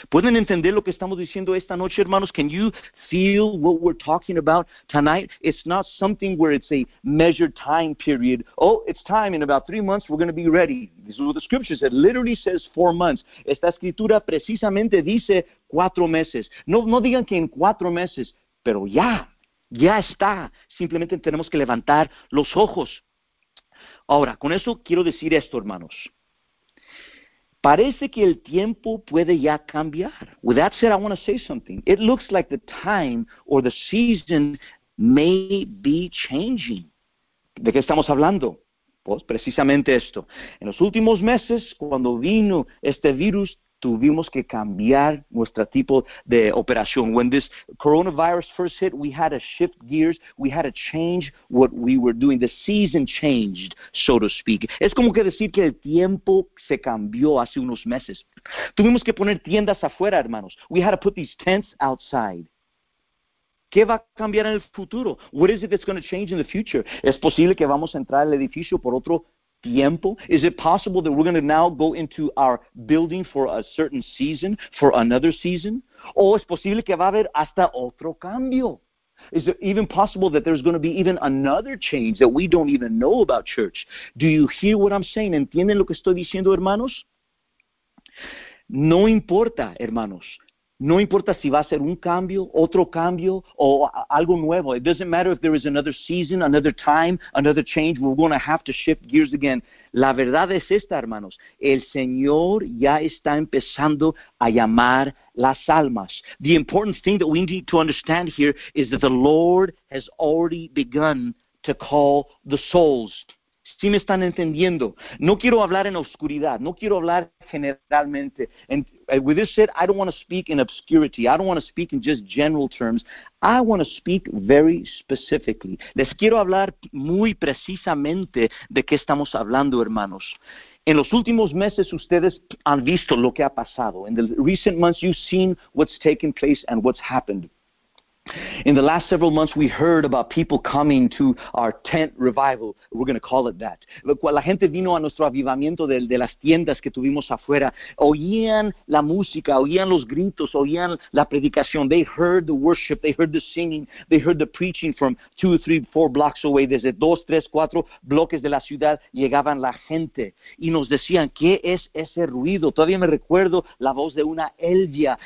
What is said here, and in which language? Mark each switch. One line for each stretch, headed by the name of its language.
Spanish: ¿Pueden entender lo que estamos diciendo esta noche, hermanos?
English: Can you feel what we're talking about tonight? It's not something where it's a measured time period. Oh, it's time. In about 3 months, we're going to be ready. This is what the scripture says. It literally says 4 months.
Spanish: Esta escritura precisamente dice 4 meses. No digan que en 4 meses, pero ya. Ya está. Simplemente tenemos que levantar los ojos. Ahora, con eso quiero decir esto, hermanos. Parece que el tiempo puede ya cambiar.
English: With that said, I want to say something. It looks like the time or the season may be changing.
Spanish: ¿De qué estamos hablando? Pues precisamente esto. En los últimos meses, cuando vino este virus, tuvimos que cambiar nuestro tipo de operación.
English: When this coronavirus first hit, we had to shift gears. We had to change what we were doing. The season changed, so to speak.
Spanish: Es como que decir que el tiempo se cambió hace unos meses. Tuvimos que poner tiendas afuera, hermanos.
English: We had to put these tents outside.
Spanish: ¿Qué va a cambiar en el futuro?
English: What is it that's going to change in the future?
Spanish: ¿Es posible que vamos a entrar al edificio por otro tiempo?
English: Is it possible that we're going to now go into our building for a certain season, for another season?
Spanish: ¿O es posible que va a haber hasta otro cambio?
English: Is it even possible that there's going to be even another change that we don't even know about, church? Do you hear what I'm saying?
Spanish: ¿Entienden lo que estoy diciendo, hermanos? No importa, hermanos. No importa si va a ser un cambio, otro cambio, o algo nuevo.
English: It doesn't matter if there is another season, another time, another change. We're going to have to shift gears again.
Spanish: La verdad es esta, hermanos. El Señor ya está empezando a llamar las almas.
English: The important thing that we need to understand here is that the Lord has already begun to call the souls.
Spanish: Sí me están entendiendo. No quiero hablar en oscuridad. No quiero hablar generalmente.
English: And with this said, I don't want to speak in obscurity. I don't want to speak in just general terms. I want to speak very specifically.
Spanish: Les quiero hablar muy precisamente de qué estamos hablando, hermanos. En los últimos meses, ustedes han visto lo que ha pasado.
English: In the recent months, you've seen what's taken place and what's happened. In the last several months, we heard about people coming to our tent revival. We're going to call it that.
Spanish: La gente vino a nuestro avivamiento de las tiendas que tuvimos afuera. Oían la música, oían los gritos, oían la predicación. They heard the worship, they heard the singing, they heard the preaching from 2, 3, 4 blocks away. Desde 2, 3, 4 bloques de la ciudad llegaban la gente. Y nos decían, ¿qué es ese ruido? Todavía me recuerdo la voz de una Elvia.